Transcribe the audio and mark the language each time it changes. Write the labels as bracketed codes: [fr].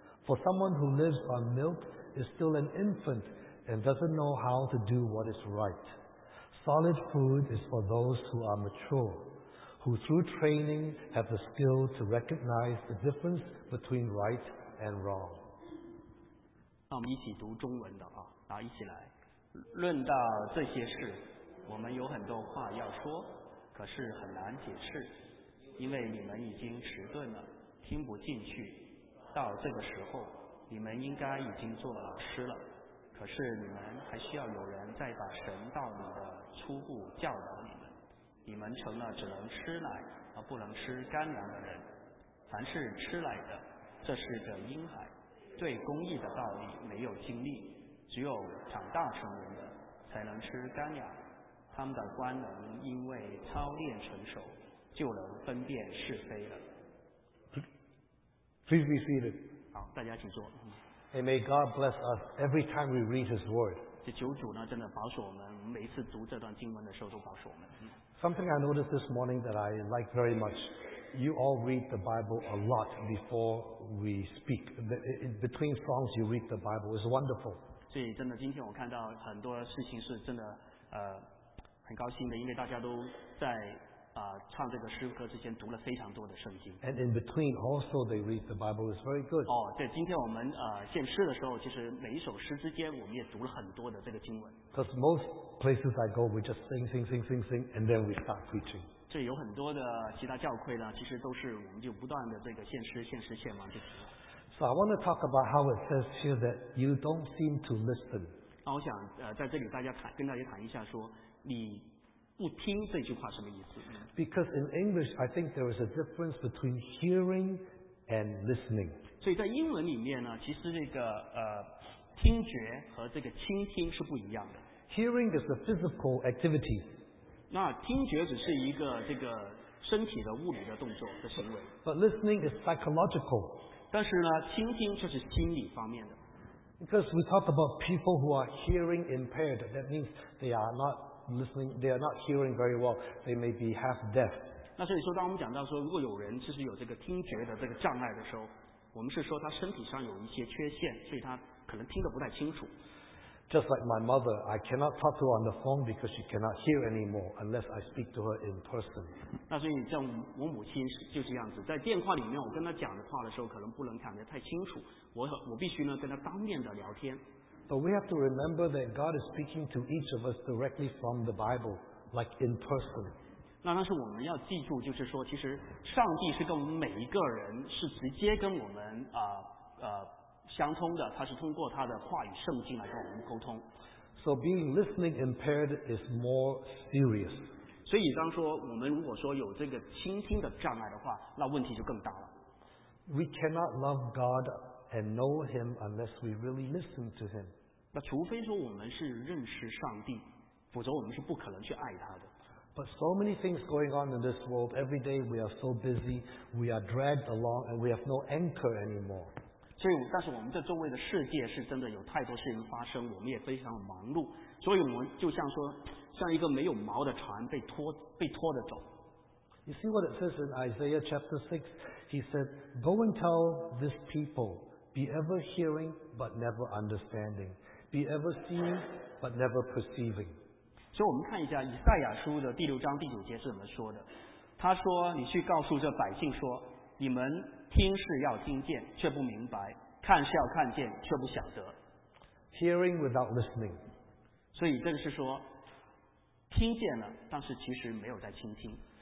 [en] For someone who lives on milk is still an infant and doesn't know how to do what is right. Solid food is for those who are mature, who through training have the skill to recognize the difference between right and wrong. [zh] 那我们一起读中文的啊，然后一起来。论到这些事，我们有很多话要说，可是很难解释，因为你们已经迟钝了。听不进去，到这个时候你们应该已经做了老师了，可是你们还需要有人再把神道理的初步教导你们，你们成了只能吃奶而不能吃干粮的人。凡是吃奶的，这是个婴孩，对公义的道理没有经历，只有长大成人的才能吃干粮，他们的官能因为操练成熟，就能分辨是非了。 [en] Please be seated. [zh] 好，大家请坐。 [en] And may God bless us every time we read His Word. [zh] 这求主呢，真的保守我们。每一次读这段经文的时候，都保守我们。 [en] Something I noticed this morning that I like very much. You all read the Bible a lot before we speak. Between songs, you read the Bible. It's wonderful. [zh] 所以真的，今天我看到很多事情是真的，很高兴的，因为大家都在。唱这个诗歌之前读了非常多的圣经。 [en] And in between, also they read the Bible is very good. [zh] 哦，对，今天我们献诗的时候，其实每一首诗之间，我们也读了很多的这个经文。 [en] Because most places I go, we just sing, and then we start preaching. [zh] 这有很多的其他教会呢，其实都是我们就不断的这个献诗献完就停了。 [en] So I want to talk about how it says here that you don't seem to listen. [zh] 那我想在这里跟大家谈一下说你。不听这句话什么意思？ [en] Because in English, I think there is a difference between hearing and listening. [zh] 所以在英文里面呢，其实这个听觉和这个倾听是不一样的。 [en] Hearing is a physical activity. [zh] 那听觉只是一个这个身体的物理的动作的行为。 [en] But listening is psychological. [zh] 但是呢，倾听却是心理方面的。 [en] Because we talk about people who are hearing impaired, that means they are not listening, they are not hearing very well. They may be half deaf. [zh] 那所以说，当我们讲到说，如果有人其实有这个听觉的这个障碍的时候，我们是说他身体上有一些缺陷，所以他可能听得不太清楚。 [en] Just like my mother, I cannot talk to her on the phone because she cannot hear anymore unless I speak to her in person. [zh] 那所以像我母亲就是这样子，在电话里面我跟她讲的话的时候，可能不能讲得太清楚，我必须呢跟她当面的聊天。 [en] But we have to remember that God is speaking to each of us directly from the Bible, like in person. [zh] 那但是我们要记住，就是说，其实上帝是跟我们每一个人是直接跟我们相通的，他是通过他的话语圣经来跟我们沟通。 [en] So being listening impaired is more serious. [zh] 所以当说我们如果说有这个倾听的障碍的话，那问题就更大了。 [en] We cannot love God and know Him unless we really listen to Him. [zh] 那除非说我们是认识上帝，否则我们是不可能去爱他的。 [en] But so many things going on in this world. Every day we are so busy, we are dragged along, and we have no anchor anymore. [zh] 所以，但是我们在周围的世界是真的有太多事情发生，我们也非常忙碌，所以我们就像说，像一个没有锚的船被拖着走。 [en] You see what it says in Isaiah chapter 6? He said, "Go and tell this people, be ever hearing but never understanding, be ever seeing but never perceiving." [zh] 所以，我们看一下以赛亚书的第六章第九节是怎么说的。他说：“你去告诉这百姓说，你们。” 听是要听见，却不明白；看是要看见，却不晓得。 [en] Hearing without listening. [zh] 所以这个是说，听见了，但是其实没有在倾听。